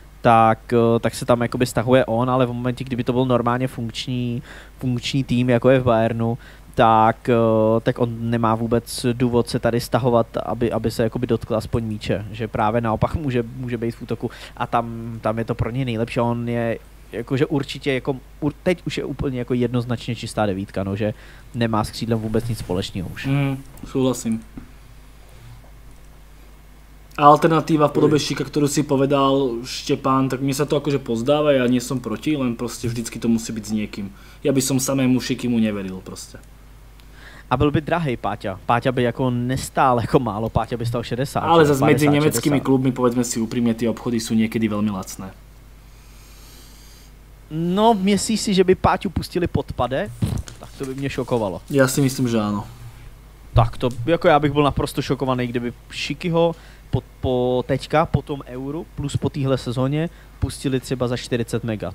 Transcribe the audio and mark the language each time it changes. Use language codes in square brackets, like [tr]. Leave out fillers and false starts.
[cs] Tak se tam jakoby stahuje on, ale v momentě, kdyby to byl normálně funkční tým, jako je v Bayernu, tak on nemá vůbec důvod se tady stahovat, aby se jakoby dotkl aspoň míče, že právě naopak může být v útoku a tam je to pro něj nejlepší, on je jakože určitě, jako, teď už je úplně jako jednoznačně čistá 9, no, že nemá s křídlem vůbec nic společného už. Souhlasím. [sk] alternatíva v podobe Šíka, ktorú si povedal Štepán, tak mne sa to akože pozdáva, ja nie som proti, len proste vždycky to musí byť s niekým. Ja by som samému Šikimu neveril proste. [cs] A byl by drahej Páťa. Páťa by ako nestál ako málo, Páťa by stal 60. [sk] Ale zase medzi nemeckými 60. klubmi, povedzme si úprimne, tie obchody sú niekedy veľmi lacné. No, myslíš si, že by Páťu pustili podpade? [cs] Tak to by mě šokovalo. Já si myslím, že ano. Tak to, jako já bych byl naprosto šokovaný, kdyby Šikyho po teďka, po tom euru, plus po téhle sezóně, pustili třeba za 40 mega.